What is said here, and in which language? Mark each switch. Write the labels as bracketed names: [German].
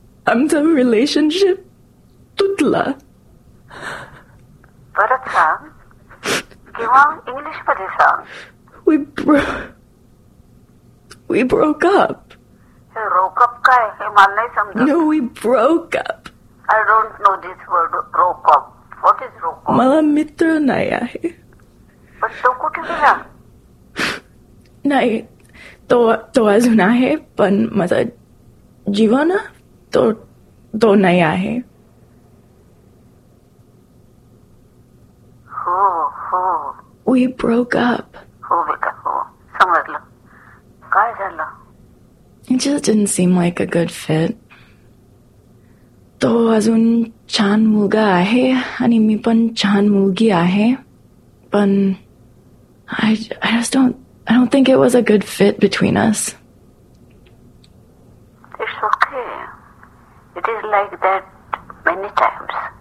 [Marathi] आमचं रिलेशनशिप तुटला. परत सांग किंवा इंग्लिश मध्ये सांग. [English] We broke up. [Marathi] रोक अप काय हे मला नाही समजलं. [English] No, we broke up. I don't know this word rock up. What is rock up? [Marathi] मला मित्र नाही आहे. नाही तो अजून आहे पण माझा जीवन तो नाही आहे. हो, [English] We broke up. [Marathi] हो बेटा, हो समजलं. काय झालं? [English] It didn't seem like a good fit. [Marathi] तो अजून छान मुलगा आहे आणि मी पण छान मुलगी आहे, पण [English] I just don't think it was a good fit between us. It's okay. It is like that many times.